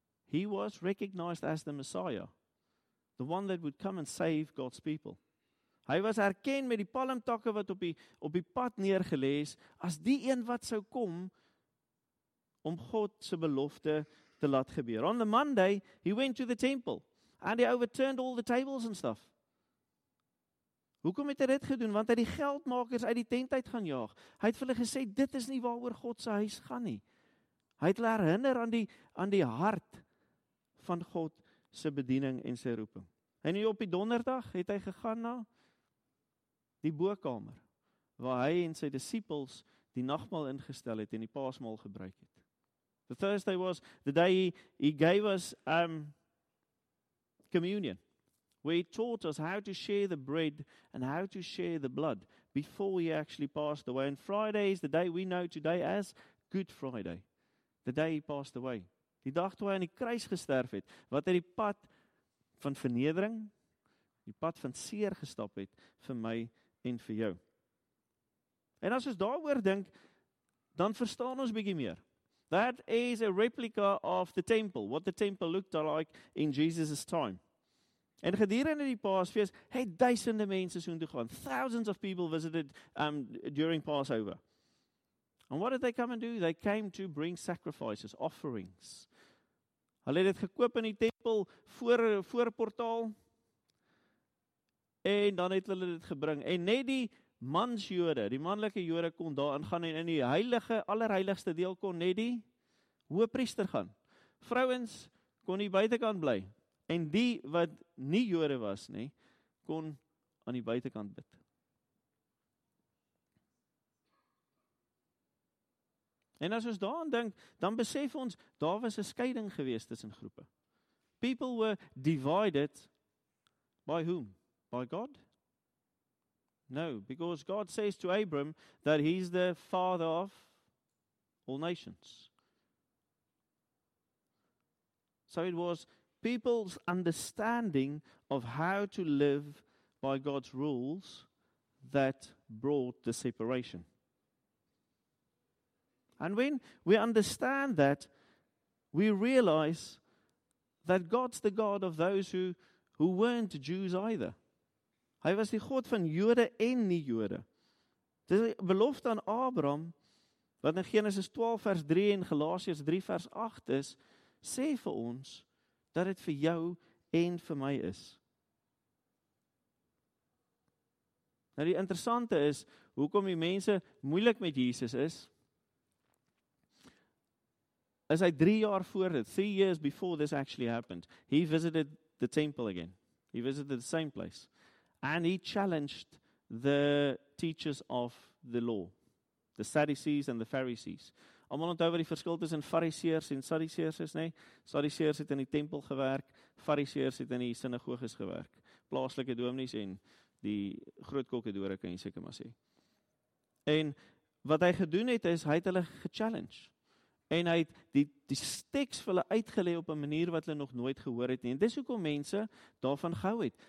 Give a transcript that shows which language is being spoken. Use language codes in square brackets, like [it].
[en] He was recognized as the Messiah, the one that would come and save God's people. [af] Hy was herken met die palmtakke wat op die pad neergelê is as die een wat sou kom om God se belofte te laat gebeur. [en] On the Monday, he went to the temple and he overturned all the tables and stuff. [af] Hoekom het hy dit gedoen? Want hy die geldmakers uit die tent uit gaan jaag. Hy het vir hulle gesê, dit is nie waaroor God se huis gaan nie. Hy het hulle herinner aan die hart van God se bediening en sy roeping. En op die donderdag het hy gegaan na die bokamer, waar hy en sy disciples die nagmaal ingestel het en die paasmaal gebruik het. [en] The Thursday was the day he gave us communion, where he taught us how to share the bread and how to share the blood before he actually passed away. And Friday is the day we know today as Good Friday, the day he passed away. [af] Die dag toe hy aan die kruis gesterf het, wat hy die pad van vernedering, die pad van seer gestap het vir my en vir jou. En as ons daaroor dink, dan verstaan ons bietjie meer. [en] That is a replica of the temple, what the temple looked like in Jesus' time. [af] En gedurende die paasfeest het duisende mense soontoe gegaan. [en] Thousands of people visited during Passover. And what did they come and do? They came to bring sacrifices, offerings. [af] Hulle het dit gekoop in die tempel voor portaal. En dan het hulle dit gebring. En net die mansjode, die mannelike jode kon daar ingaan en in die heilige, allerheiligste deel kon net die hoëpriester gaan. Vrouens kon die buitenkant bly. En die wat nie jode was nie, kon aan die buitenkant bid. En as ons daaraan dink, dan besef ons, daar was 'n skeiding gewees tussen groepe. [en] People were divided by whom? By God? No, because God says to Abram that he's the father of all nations. So it was people's understanding of how to live by God's rules that brought the separation. And when we understand that, we realize that God's the God of those who weren't Jews either. [af] Hy was die God van Jode en nie Jode. Dit is 'n belofte aan Abraham, wat in Genesis 12 vers 3 en Galasiërs 3 vers 8 is, sê vir ons dat dit vir jou en vir my is. Nou die interessante is, hoekom die mense moeilik met Jesus is, as hy 3 jaar voor dit, [en] 3 years before this actually happened, he visited the temple again. He visited the same place. And he challenged the teachers of the law, the Sadducees and the Pharisees. [af] Almal onthou wat die verskil tussen Fariseërs en Sadduseërs is, nê? Sadduseërs het in die tempel gewerk, Fariseërs het in die sinagoges gewerk. Plaaslike dominees en die groot kokkedore kan jy seker maar sê. En wat hy gedoen het is, hy het hulle gechallenge. En hy het die teks vir hulle uitgelê op 'n manier wat hulle nog nooit gehoor het nie. En dis hoekom mense daarvan gehou het.